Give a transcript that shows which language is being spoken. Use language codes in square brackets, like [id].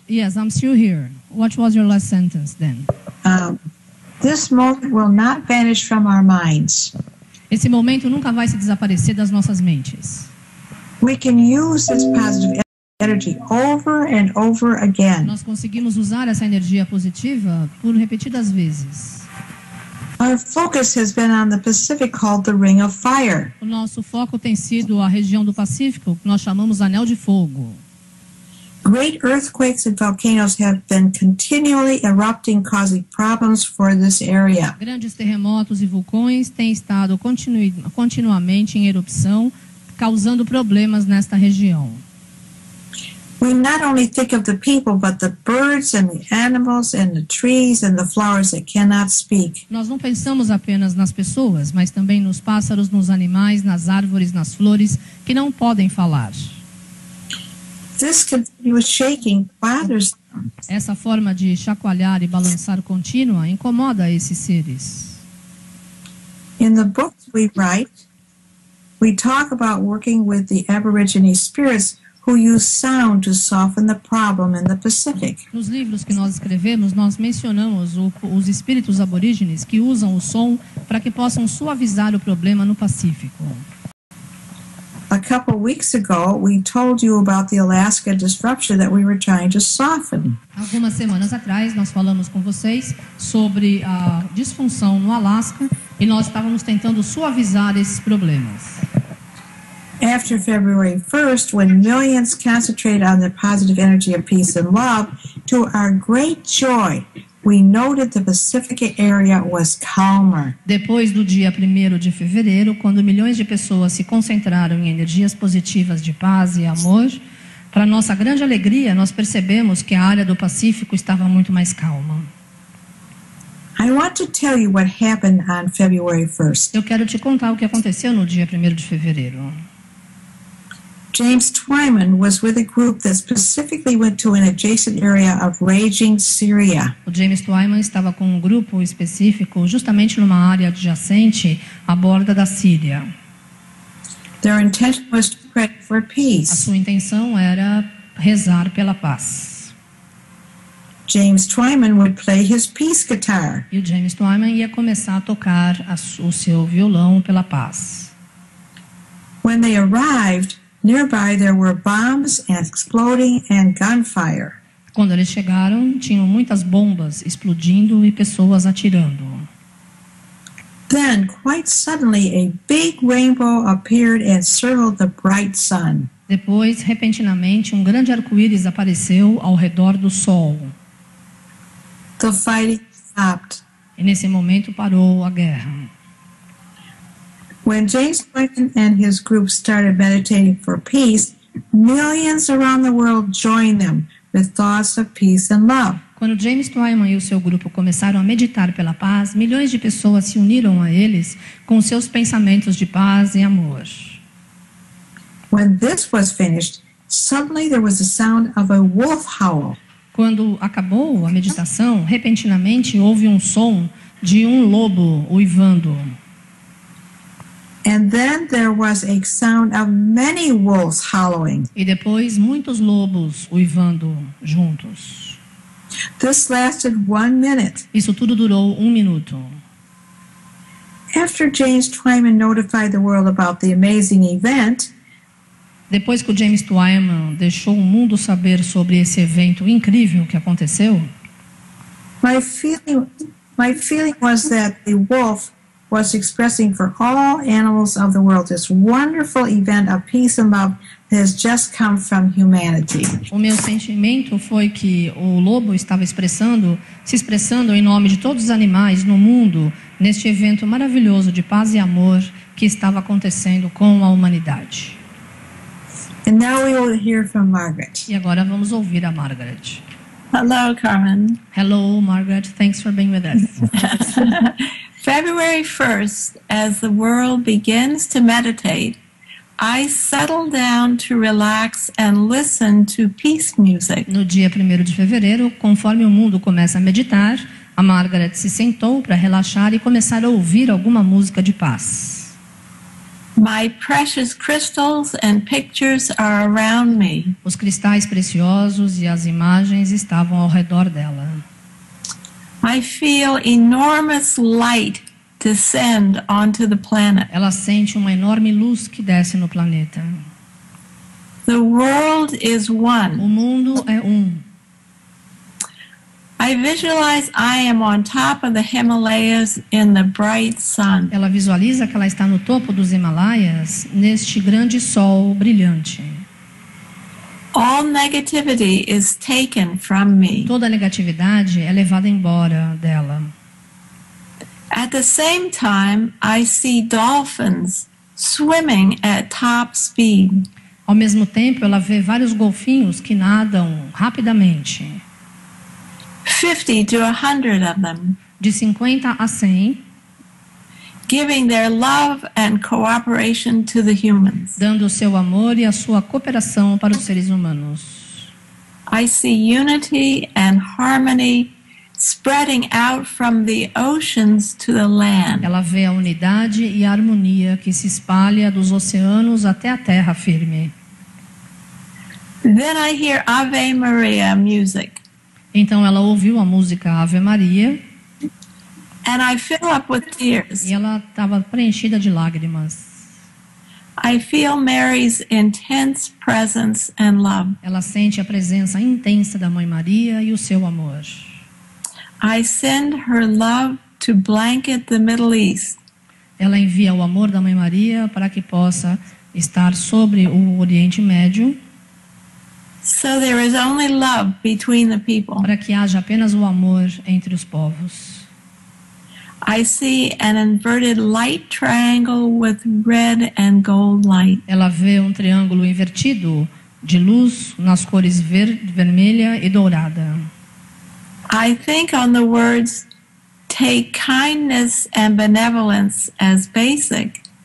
[en] Yes, I'm still here. What was your last sentence then? This moment will not vanish from our minds. [pt] Esse momento nunca vai se desaparecer das nossas mentes. [en] We can use this positive energy over and over again. [pt] Nós conseguimos usar essa energia positiva por repetidas vezes. [en] Our focus has been on the Pacific called the Ring of Fire. [pt] O nosso foco tem sido a região do Pacífico, que nós chamamos Anel de Fogo. [en] Great earthquakes and volcanoes have been continually erupting, causing problems for this area. [pt] Grandes terremotos e vulcões têm estado continuamente em erupção, causando problemas nesta região. [en] We not only think of the people, but the birds and the animals and the trees and the flowers that cannot speak. [pt] Nós não pensamos apenas nas pessoas, mas também nos pássaros, nos animais, nas árvores, nas flores, que não podem falar. [en] This continuous shaking bothers them. [pt] Essa forma de chacoalhar e balançar contínua incomoda esses seres. [en] In the books we write, we talk about working with the Aborigine spirits who use sound to soften the problem in the Pacific. [pt] Nos livros que nós escrevemos, nós mencionamos os espíritos aborígenes que usam o som para que possam suavizar o problema no Pacífico. [en] A couple weeks ago, we told you about the Alaska disruption that we were trying to soften. [pt] Algumas semanas atrás, nós falamos com vocês sobre a disfunção no Alasca e nós estávamos tentando suavizar esses problemas. [en] After February 1st, when millions concentrate on the positive energy of peace and love, to our great joy, We noted the Pacific area was calmer. [pt] Depois do dia 1º de fevereiro, quando milhões de pessoas se concentraram em energias positivas de paz e amor, para nossa grande alegria, nós percebemos que a área do Pacífico estava muito mais calma. [en] I want to tell you what happened on February 1st. [pt] Eu quero te contar o que aconteceu no dia 1º de fevereiro. [en] James Twyman was with a group that specifically went to an adjacent area of raging Syria. [pt] O James Twyman estava com um grupo específico justamente numa área adjacente à borda da Síria. [en] Their intention was to pray for peace. [pt] A sua intenção era rezar pela paz. [en] James Twyman would play his peace guitar. [pt] E o James Twyman ia começar a tocar o seu violão pela paz. [en] When they arrived, nearby there were bombs and exploding and gunfire. [pt] Quando eles chegaram, tinham muitas bombas explodindo e pessoas atirando. [en] Then, quite suddenly, a big rainbow appeared and circled the bright sun. [pt] Depois, repentinamente, um grande arco-íris apareceu ao redor do sol. [en] The fighting stopped. [pt] E nesse momento parou a guerra. [en] When James Twyman and his group started meditating for peace, millions around the world joined them with thoughts of peace and love. [pt] Quando James Twyman e o seu grupo começaram a meditar pela paz, milhões de pessoas se uniram a eles com seus pensamentos de paz e amor. [en] When this was finished, suddenly there was the sound of a wolf howl. [pt] Quando acabou a meditação, repentinamente houve um som de um lobo uivando. [en] And then there was a sound of many wolves howling. [pt] E depois muitos lobos uivando juntos. [en] This lasted 1 minute. [pt] Isso tudo durou 1 minuto. [en] After James Twyman notified the world about the amazing event, [pt] depois que o James Twyman deixou o mundo saber sobre esse evento incrível que aconteceu, [en] my feeling was that the wolf was expressing for all animals of the world this wonderful event of peace and love that has just come from humanity. [pt] O meu sentimento foi que o lobo estava se expressando em nome de todos os animais no mundo neste evento maravilhoso de paz e amor que estava acontecendo com a humanidade. [en] And now we will hear from Margaret. [pt] E agora vamos ouvir a Margaret. [en] Hello, Carmen. Hello, Margaret. Thanks for being with us. February 1st, as the world begins to meditate, I settle down to relax and listen to peace music. [pt] No dia 1º de fevereiro, conforme o mundo começa a meditar, a Margaret se sentou para relaxar e começar a ouvir alguma música de paz. [en] My precious crystals and pictures are around me. [pt] Os cristais preciosos e as imagens estavam ao redor dela. [en] I feel enormous light descend onto the planet. [pt] Ela sente uma enorme luz que desce no planeta. [en] The world is one. [pt] O mundo é um. [en] I visualize I am on top of the Himalayas in the bright sun. [pt] Ela visualiza que ela está no topo dos Himalaias neste grande sol brilhante. [en] All negativity is taken from me. [pt] Toda negatividade é levada embora dela. [en] At the same time, I see dolphins swimming at top speed. [pt] Ao mesmo tempo, ela vê vários golfinhos que nadam rapidamente. [en] 50 to 100 of them. [pt] De 50 a 100. [en] Giving their love and cooperation to the humans. [pt] Dando o seu amor e a sua cooperação para os seres humanos. [en] I see unity and harmony spreading out from the oceans to the land. [pt] Ela vê a unidade e a harmonia que se espalha dos oceanos até a terra firme. [en] Then I hear Ave Maria music. [pt] Então ela ouviu a música Ave Maria. [en] And I fill up with tears. [pt] E ela estava preenchida de lágrimas. [en] I feel Mary's intense presence and love. [pt] Ela sente a presença intensa da Mãe Maria e o seu amor. [en] I send her love to blanket the Middle East. [pt] Ela envia o amor da Mãe Maria para que possa estar sobre o Oriente Médio. [en] So there is only love between the people. [pt] Para que haja apenas o amor entre os povos. [en] I see an inverted light triangle with red and gold light. [pt] Ela vê um triângulo invertido de luz nas cores verde, vermelha e dourada. [en] I think on the words take kindness and benevolence as basic.